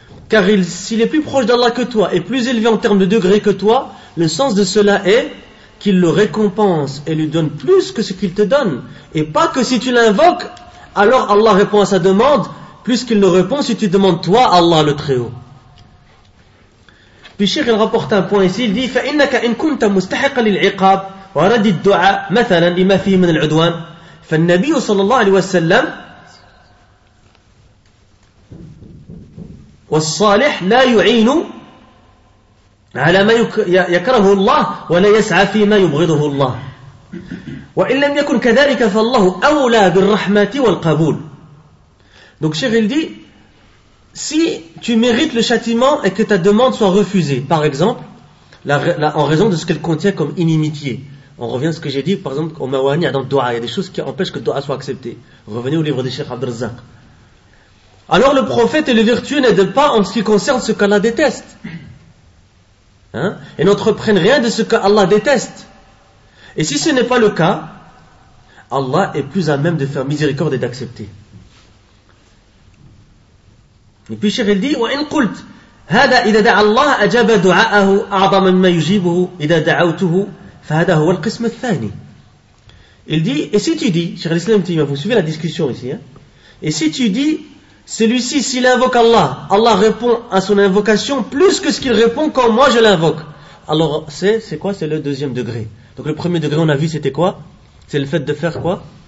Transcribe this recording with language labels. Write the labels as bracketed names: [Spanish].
[French] Car s'il est plus proche d'Allah que toi et plus élevé en termes de degré que toi, le sens de cela est qu'il le récompense et lui donne plus que ce qu'il te donne. Et pas que si tu l'invoques, alors Allah répond à sa demande, plus qu'il ne répond si tu demandes toi Allah le Très-Haut. Puis Cheikh il rapporte un point ici, il dit: [Arabic] فَإِنَّكَ إِن كُنْتَ مُسْتَحِقَ لِلْعِقَابِ ورد الدعاء مثلا لما فيه من العدوان، فالنبي صلى الله عليه وسلم والصالح لا يعين على ما يكره الله ولا يسعى فيما يبغضه الله، وإن لم يكن كذلك فالله أولى بالرحمة والقبول. [French] Donc Cheikh il dit: si tu mérites le châtiment et que ta demande soit refusée, par exemple en raison de ce qu'elle contient comme inimitié. On revient à ce que j'ai dit, par exemple, au Mawani, dans le Dua, il y a des choses qui empêchent que le Dua soit accepté. Revenez au livre de Cheikh Abdelzak. Alors le prophète et le vertueux n'aident pas en ce qui concerne ce qu'Allah déteste. Hein? Et n'entreprennent rien de ce qu'Allah déteste. Et si ce n'est pas le cas, Allah est plus à même de faire miséricorde et d'accepter. Et puis Cheikh, il dit: [Arabic] وَإِنْ قُلْتْ هَذَا إِذَا دَعَ اللَّهَ أَجَابَ دُعَاءَهُ أَعْضَمَ مَا يُجِيبُهُ إِذَا دَعَوْتُهُ. فهذا هو القسم الثاني. [French] Il dit, et si tu dis, Cheikh Al-Islam Tima, vous suivez la discussion ici, hein? Et si tu dis, celui-ci, s'il invoque Allah, Allah répond à son invocation plus que ce qu'il répond quand moi je l'invoque. Alors, c'est quoi? C'est le deuxième degré. Donc, le premier degré, on a vu, c'était quoi? C'est le fait de faire quoi?